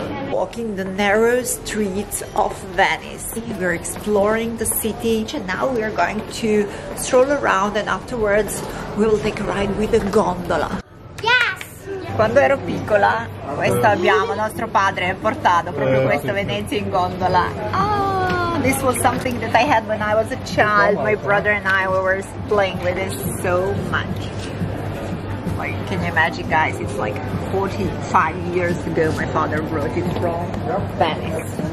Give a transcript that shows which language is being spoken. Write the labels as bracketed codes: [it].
[en] Walking the narrow streets of Venice, we're exploring the city and now we are going to stroll around and afterwards we will take a ride with a gondola. [it] Quando ero piccola, questo abbiamo, nostro padre ha portato proprio questo Venezia in gondola. [en] Oh, this was something that I had when I was a child. My brother and I were playing with it so much. Like, can you imagine, guys? It's like 45 years ago my father brought it from Venice.